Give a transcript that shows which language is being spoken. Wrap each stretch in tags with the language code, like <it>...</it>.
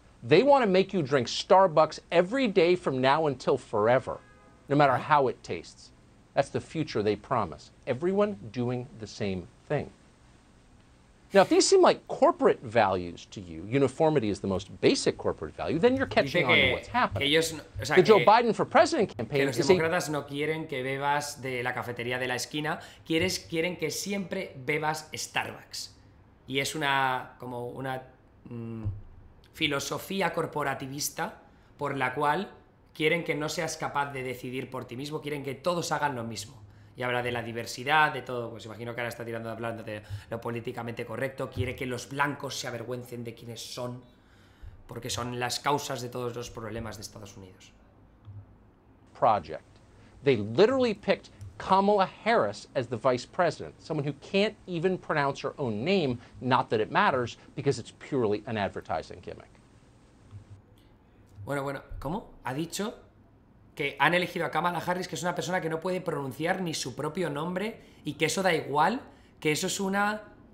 <en>They want to make you drink Starbucks every day from now until forever, no matter how it tastes. That's the future they promise. Everyone doing the same thing. Now, if these seem like corporate values to you, uniformity is the most basic corporate value, then you're catching on to what's happening.</en> <es>Ellos,</es> <en>the Joe Biden for President campaign is saying...</en> <es>Que los demócratas no quieren que bebas de la cafetería de la esquina, quieren que siempre bebas Starbucks. Y es una, como una filosofía corporativista por la cual quieren que no seas capaz de decidir por ti mismo, quieren que todos hagan lo mismo. Y habla de la diversidad, de todo. Pues imagino que ahora está tirando hablando de lo políticamente correcto. Quiere que los blancos se avergüencen de quiénes son, porque son las causas de todos los problemas de Estados Unidos.</es> <en>Project. They literally picked Kamala Harris as the vice president, someone who can't even pronounce her own name, not that it matters, because it's purely an advertising gimmick.</en> <es>Bueno, bueno, ¿cómo? ¿Ha dicho? Que han elegido a Kamala Harris, que es una persona que no puede pronunciar ni su propio nombre y que eso da igual, que eso es una...</es>